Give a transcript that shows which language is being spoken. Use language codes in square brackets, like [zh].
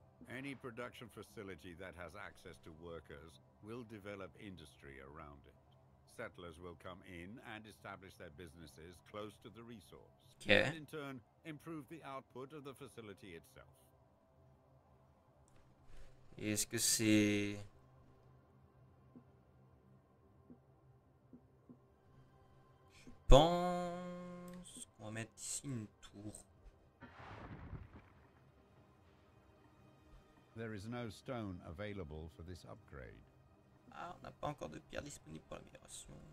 [en] Any production facility that has access to workers will develop industry around it. Settlers will come in and establish their businesses close to the resource. Okay. And in turn, improve the output of the facility itself. [fr] Est-ce que c'est... Je pense qu'on va mettre ici une tour. [en] There is no stone available for this upgrade. [fr] Ah, on n'a pas encore de pierre disponible pour l'amélioration.